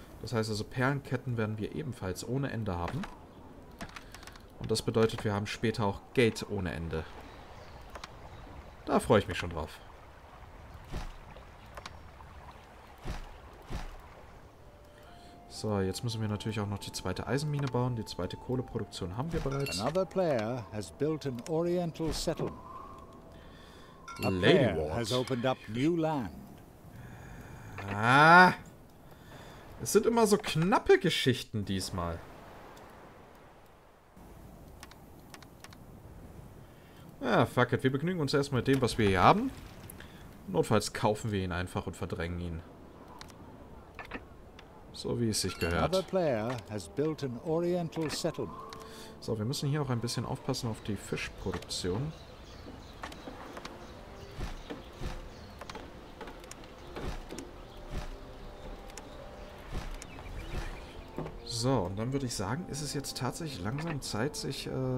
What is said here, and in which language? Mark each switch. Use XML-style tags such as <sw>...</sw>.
<de>Das heißt also, Perlenketten werden wir ebenfalls ohne Ende haben. Und das bedeutet, wir haben später auch Geld ohne Ende. Da freue ich mich schon drauf. So, jetzt müssen wir natürlich auch noch die zweite Eisenmine bauen. Die zweite Kohleproduktion haben wir bereits.</de> <en>Another player has built an oriental settlement. A player has opened up new land.</en> <de>Ah, es sind immer so knappe Geschichten diesmal. Ja,</de> <en>fuck it.</en> <de>Wir begnügen uns erstmal mit dem, was wir hier haben. Notfalls kaufen wir ihn einfach und verdrängen ihn. So wie es sich gehört.</de> <en>Another player has built an oriental settlement.</en> <de>So, wir müssen hier auch ein bisschen aufpassen auf die Fischproduktion. So, und dann würde ich sagen, ist es jetzt tatsächlich langsam Zeit, sich...</de>